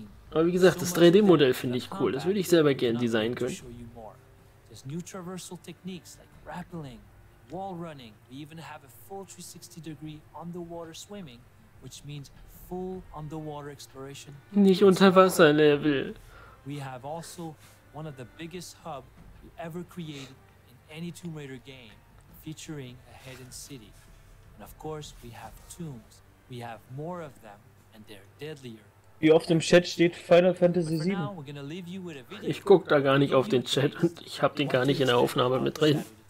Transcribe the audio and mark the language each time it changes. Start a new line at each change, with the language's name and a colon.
German: Aber wie gesagt, das 3D-Modell finde ich cool. Das würde ich selber gerne designen können.
English: There's new traversal techniques like grappling, wall running. We even have a full 360-degree underwater swimming, which means full underwater exploration.
German: Nicht unter Wasser Level.
English: We have also one of the biggest hub we ever created in any Tomb Raider game, featuring a hidden city. And of course, we have tombs. We have more of them and they're deadlier.
German: Wie oft im Chat steht Final Fantasy 7? Ich guck da gar nicht auf den Chat und ich hab den gar nicht in der Aufnahme mit drin.